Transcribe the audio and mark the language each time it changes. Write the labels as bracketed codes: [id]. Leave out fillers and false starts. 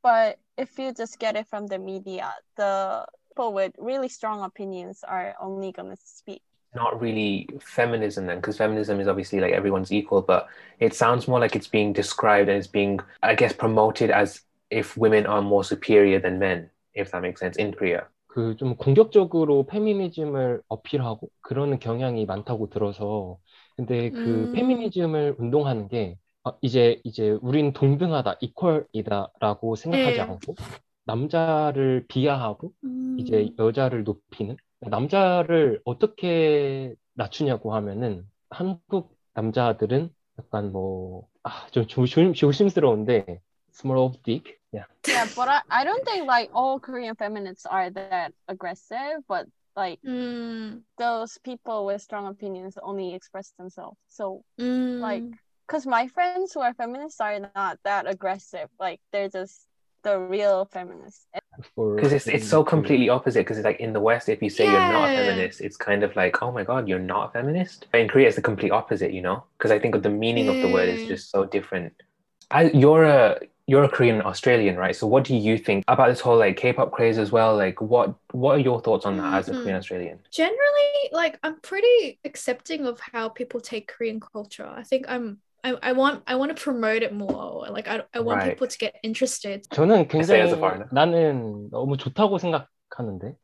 [en] But if you just get it from the media, the people with really strong opinions are only gonna speak. Not really feminism then, because feminism is obviously like everyone's equal, but it sounds more like it's being described and it's being, I guess, promoted as if women are more superior than men, if that makes sense, in Korea. [ko] 그 좀 공격적으로 페미니즘을 어필하고 그런 경향이 많다고 들어서 근데 그 페미니즘을 운동하는 게 이제 우린 동등하다, 이퀄이다라고 생각하지 않고 남자를 비하하고 이제 여자를 높이는 남자를 어떻게 낮추냐고 하면은 한국 남자들은 약간 뭐 아 좀 조심스러운데 [en] small of dick. Yeah. Yeah, but I don't think like all Korean feminists are that aggressive, but like those people with strong opinions only express themselves. So like cuz my friends who are feminists are not that aggressive. Like they're just the real feminists. Because it's so completely opposite, because it's like in the West, if you say you're not a feminist, it's kind of like, oh my god, you're not a feminist. But in Korea, it's the complete opposite, you know, because I think of the meaning of the word is just so different. You're a Korean Australian, right? So what do you think about this whole like K-pop craze as well? Like what are your thoughts on that as a Korean Australian? Generally, like I'm pretty accepting of how people take Korean culture. I think I want to promote it more. Like I want people to get interested. [ko] 저는 굉장히 나는 너무 좋다고 생각하는데.